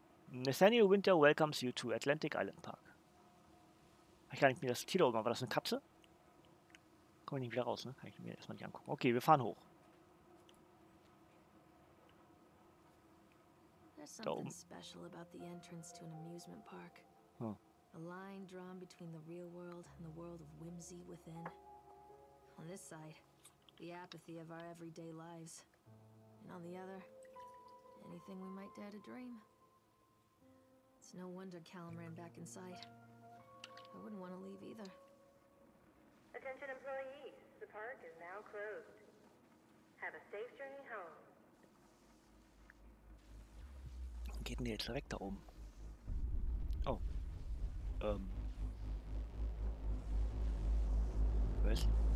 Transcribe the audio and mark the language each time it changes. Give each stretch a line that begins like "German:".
English: Nathaniel Winter welcomes you to Atlantic Island Park.
German: Ich kann nicht mir das Tier da oben, war das eine Katze? Komme ich nicht wieder raus, ne? Kann ich mir erstmal nicht angucken. Okay, wir fahren hoch.
English: Something special about the entrance to an amusement park. A line drawn between the real world and the world of whimsy within. On this side, the apathy of our everyday lives. And on the other, anything we might dare to dream. It's no wonder Callum ran back inside. I wouldn't want to leave either. Attention employees, the park is now closed. Have a safe journey home.
German: Geht denn der jetzt weg da oben? Oh. Was?